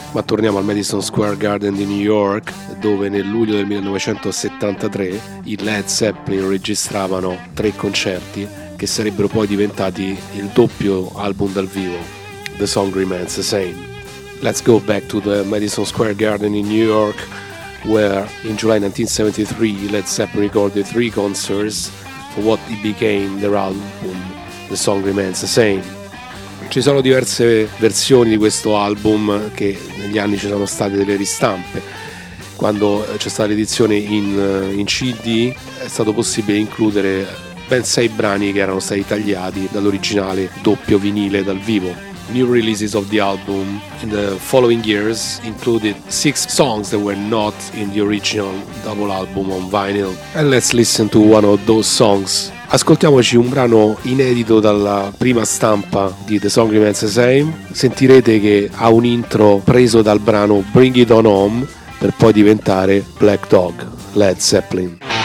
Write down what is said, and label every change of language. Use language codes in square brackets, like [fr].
[it] Ma torniamo al Madison Square Garden di New York, dove nel luglio del 1973 i Led Zeppelin registravano 3 concerti che sarebbero poi diventati il doppio album dal vivo. [en] The song remains the same. Let's go back to the Madison Square Garden in New York, where in July 1973 Led Zeppelin recorded 3 concerts for what became their album The Song Remains the Same. [it] Ci sono diverse versioni di questo album, che negli anni ci sono state delle ristampe. Quando c'è stata l'edizione in CD è stato possibile includere ben 6 brani che erano stati tagliati dall'originale doppio vinile dal vivo. [en] New releases of the album in the following years included 6 songs that were not in the original double album on vinyl. And let's listen to one of those songs. [it] Ascoltiamoci un brano inedito dalla prima stampa di The Song Remains the Same. Sentirete che ha un intro preso dal brano Bring It On Home, per poi diventare Black Dog, Led Zeppelin.